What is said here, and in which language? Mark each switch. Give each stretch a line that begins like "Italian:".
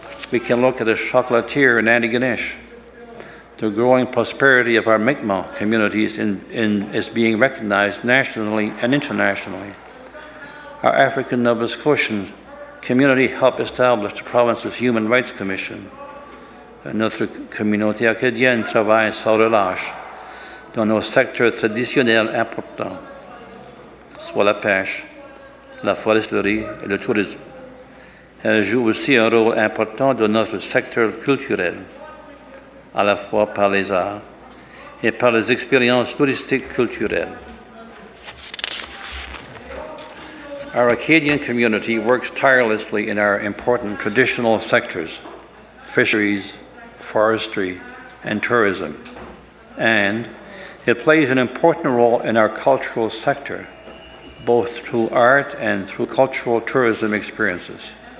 English: We can look at the chocolatier in Antigonish. The growing prosperity of our Mi'kmaq communities is being recognized nationally and internationally. Our African Nova Scotian community helped establish the province's Human Rights Commission.
French: Notre communauté acadienne travaille sans relâche dans nos secteurs traditionnels importants, soit la pêche, la foresterie et le tourisme. Elle joue aussi un rôle important dans notre secteur culturel, à la fois par les arts et par les expériences touristiques culturelles.
English: Our Acadian community works tirelessly in our important traditional sectors, fisheries, forestry, and tourism. And it plays an important role in our cultural sector, both through art and through cultural tourism experiences.